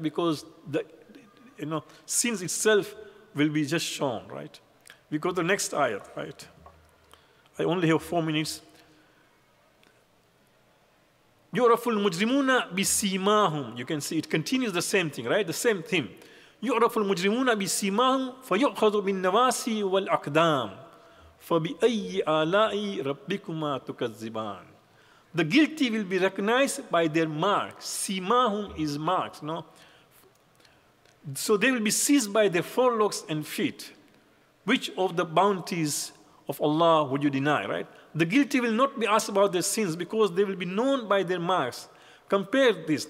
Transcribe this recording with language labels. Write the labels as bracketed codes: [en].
[en] Because the sins itself will be just shown, right? We go to the next ayat, right? I only have 4 minutes. [ar] يُعْرَفُ الْمُجْرِمُونَ بِسِيمَاهُمْ. [en] You can see it continues the same thing, right? The same theme. [ar] يُعْرَفُ الْمُجْرِمُونَ بِسِيمَاهُمْ فَيُؤْخَذُ بِالنَّوَاسِ وَالْأَقْدَامِ فَبِأَيِّ آلَاءِ رَبِّكُمَا تُكَذِّبَانِ. [en] The guilty will be recognized by their marks. سِيمَاهُمْ is marks, no? So they will be seized by their forelocks and feet. Which of the bounties of Allah would you deny, right? The guilty will not be asked about their sins because they will be known by their marks. Compare this.